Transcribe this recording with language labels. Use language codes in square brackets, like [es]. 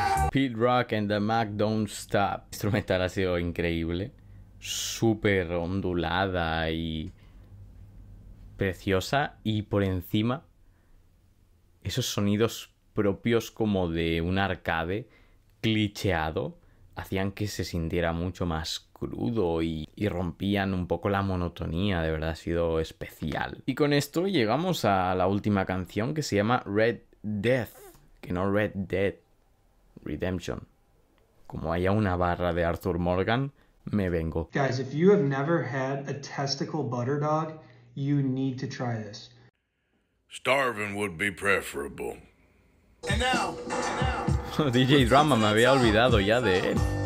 [en] Pete Rock and the Mac Don't Stop. [es] El instrumental ha sido increíble, súper ondulada y preciosa, y por encima esos sonidos propios como de un arcade clicheado hacían que se sintiera mucho más crudo y rompían un poco la monotonía. De verdad ha sido especial. Y con esto llegamos a la última canción, que se llama Red Death, que no Red Dead, Redemption. Como haya una barra de Arthur Morgan, me vengo. [en] Guys, if you have never had a testicle butter dog, you need to try this. Starving would be preferable. And now, and now. [es] DJ Drama, me había olvidado ya de él.